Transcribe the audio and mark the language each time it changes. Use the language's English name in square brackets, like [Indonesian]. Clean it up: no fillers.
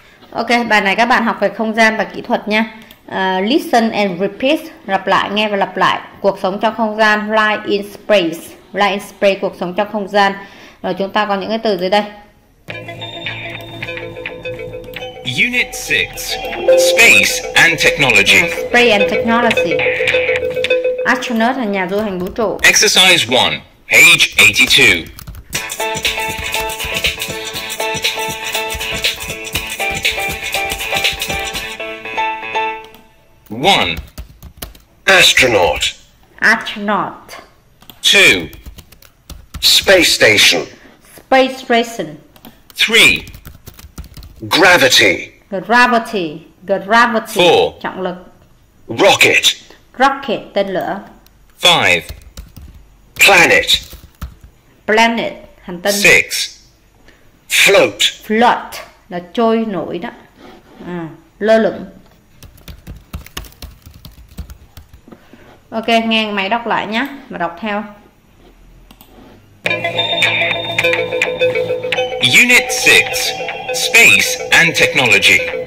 [Vietnamese] Ok, bài này các bạn học về không gian và kỹ thuật nha. [English] Listen and repeat, [Vietnamese] lặp lại, nghe và lặp lại. Cuộc sống trong không gian, [English] life in space. Life in space, [Vietnamese] cuộc sống trong không gian. Rồi chúng ta có những cái từ dưới đây. [English] Unit 6, Space and Technology. Space and Technology. [Vietnamese] Astronaut là nhà du hành vũ trụ. [English] Exercise 1, page 82. One, astronaut. Astronaut. Two, space station. Space station. Three, gravity. Gravity. Gravity. Four, [Vietnamese] trọng lực. [English] Rocket. [Vietnamese] Rocket, tên lửa. [English] Five, planet. [Vietnamese] Planet, hành tinh. [English] Six, float. [Vietnamese] Float, là trôi nổi đó. Lơ lửng. Ok, nghe máy đọc lại nhé, mà đọc theo. [English] Unit 6, Space and Technology.